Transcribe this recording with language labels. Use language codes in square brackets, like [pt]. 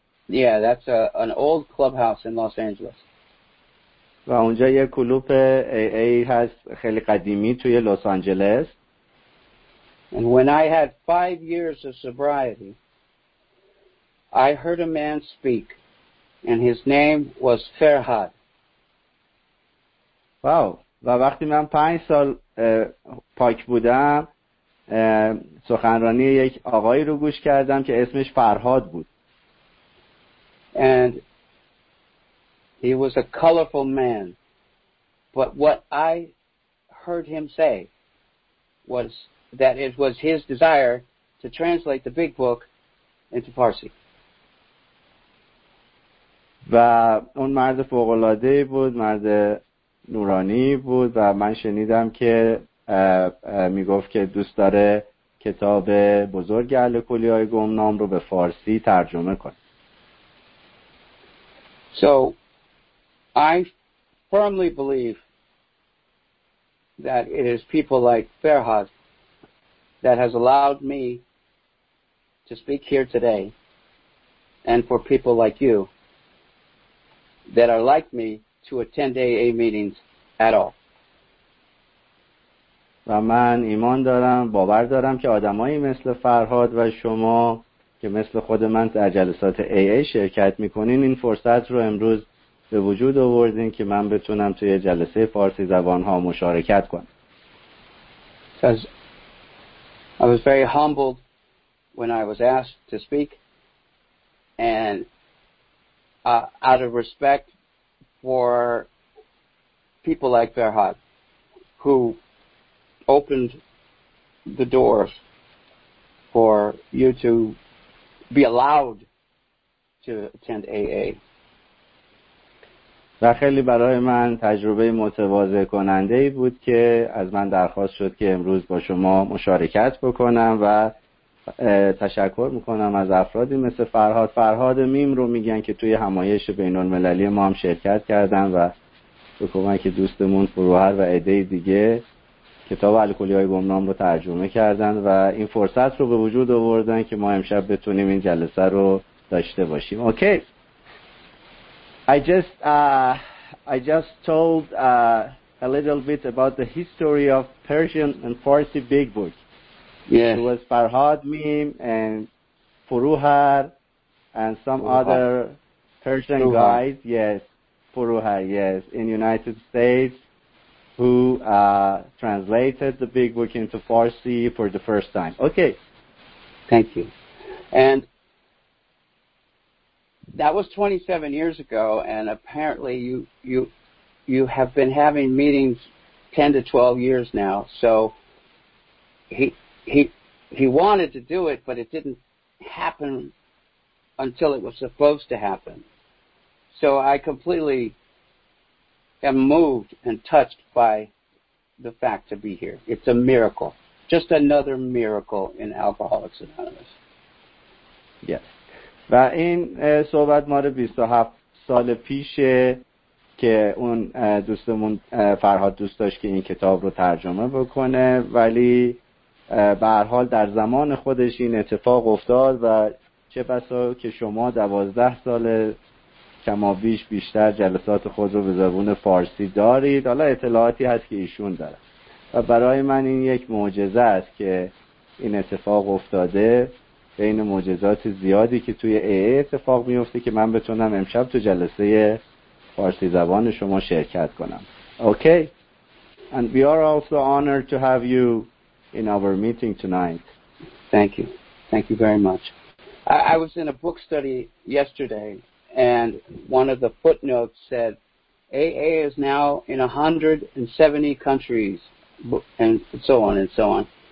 [en] Yeah, that's an old clubhouse in Los Angeles. [fa] و اونجا یک کلوپ AA هست خیلی قدیمی توی لس آنجلس. [en] And when I had 5 years of sobriety, I heard a man speak and his name was Ferhad. Wow. [fa] و وقتی من 5 سال پاک بودم سخنرانی یک آقایی رو گوش کردم که اسمش فرهاد بود. [en] And he was a colorful man, but what I heard him say was that it was his desire to translate the big book into Farsi. [fa] و اون مرد فوق‌العاده بود، مرد نورانی بود و من شنیدم که میگفت که دوست داره کتاب بزرگ الکلی‌های گمنام رو به فارسی ترجمه کنه. [en] So I firmly believe that it is people like Ferhad that has allowed me to speak here today and for people like you that are like me to attend AA meetings at all. [fa] و من ایمان دارم، باور دارم که آدمایی مثل فرهاد و شما که مثل خود من در جلسات AA شرکت میکنین، این فرصت رو امروز به وجود آوردین که من بتونم توی جلسه فارسی زبان ها مشارکت کنم. [en] I was very humbled when I was asked to speak, and out of respect for people like Ferhad, who opened the doors for you to be allowed to attend AA. [fa] و خیلی برای من تجربه متواضع کننده ای بود که از من درخواست شد که امروز با شما مشارکت بکنم و تشکر میکنم از افرادی مثل فرهاد. فرهاد میم رو میگن که توی همایش بین المللی ما هم شرکت کردم و به کمک دوستمون فروهر و عده دیگه کتاب الکلی‌های گمنام رو ترجمه کردن و این فرصت رو به وجود آوردن که ما امشب بتونیم این جلسه رو داشته باشیم. اوکی. [en] I just told a little bit about the history of Persian and Farsi big book. Yes. It was Farhad Mim and Furuhar and some other Persian guys. Yes, Furuhar, yes, in United States, who translated the big book into Farsi for the first time. Okay. Thank you. And that was 27 years ago, and apparently you have been having meetings 10 to 12 years now. So he wanted to do it, but it didn't happen until it was supposed to happen. So I completely am moved and touched by the fact to be here. It's a miracle, just another miracle in Alcoholics Anonymous. Yes. [fa] و این صحبت ماره 27 سال پیشه که اون دوستمون فرهاد دوست داشت که این کتاب رو ترجمه بکنه، ولی به هر حال در زمان خودش این اتفاق افتاد و چه بسا که شما 12 سال کمابیش بیشتر جلسات خود رو به زبون فارسی دارید. حالا اطلاعاتی هست که ایشون داره و برای من این یک معجزه است که این اتفاق افتاده، بین معجزات زیادی که توی AA اتفاق میفته که من بتونم امشب تو جلسه فارسی زبان شما شرکت کنم. [en] Okay. And we are also honored to have you in our meeting tonight. Thank you. Thank you very much. I was in a book study yesterday and one of the footnotes said AA is now in 170 countries and so on and so on.